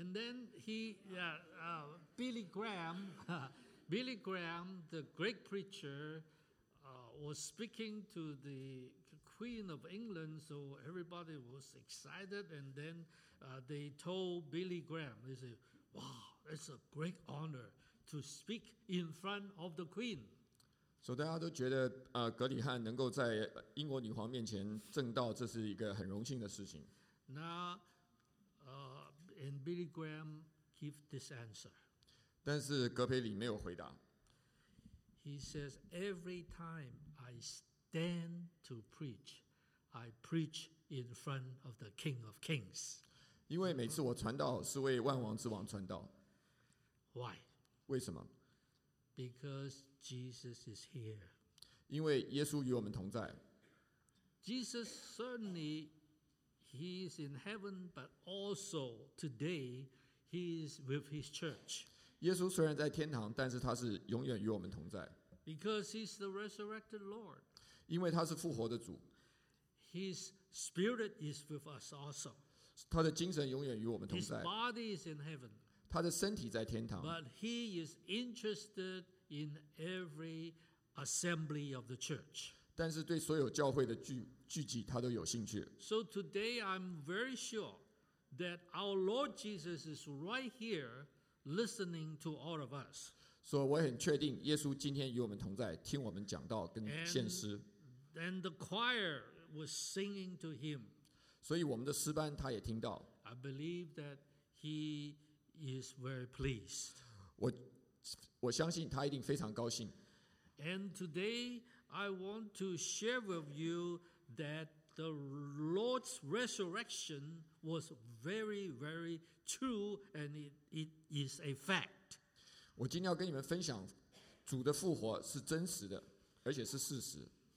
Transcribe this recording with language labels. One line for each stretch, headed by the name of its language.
English: And then he, Billy Graham, Billy Graham, the great preacher, was speaking to the Queen of England. So everybody was excited, and then they told Billy Graham, they said, "Wow, that's a great honor to speak in front of the Queen."
Chinese: So 大家都觉得格里汉能够在英国女皇面前证道，这是一个很荣幸的事情。
English: 那and Billy Graham give this answer.
Chinese: 但是格培里没有回答。
English: He says, "Every time I stand to preach, I preach in front of the King of Kings."
Chinese: 因为每次我传道是为万王之王传道。
English: Why?
Chinese: 为什么？
English: Because Jesus is here.
Chinese: 因为耶稣与我们同在。
English: Jesus certainly he is in heaven, but also today he is with his church.
Chinese: 耶稣虽然在天堂，但是他是永远与我们同在。
English: Because he is the resurrected Lord.
Chinese: 因为他是复活的主。
English: His spirit is with us also.
Chinese: 他的精神永远与我们同在。
English: His body is in heaven.
Chinese: 他的身体在天堂。
English: But he is interested in every assembly of the church.
Chinese: 但是对所有教会的聚集，他都有兴趣。
English: So today I'm very sure that our Lord Jesus is right here listening to all of us.
Chinese: 所以我很确定，耶稣今天与我们同在，听我们讲道跟献诗。
English: And the choir was singing to him.
Chinese: 所以我们的诗班他也听到。
English: I believe that he. Is very pleased.
Chinese: 我相信他一定非常高兴。
English: And today I want to share with you that the Lord's resurrection was very, very true, and it is a fact.
Chinese: 我今天要跟你们分享，主的复活是真实的，而且是事实。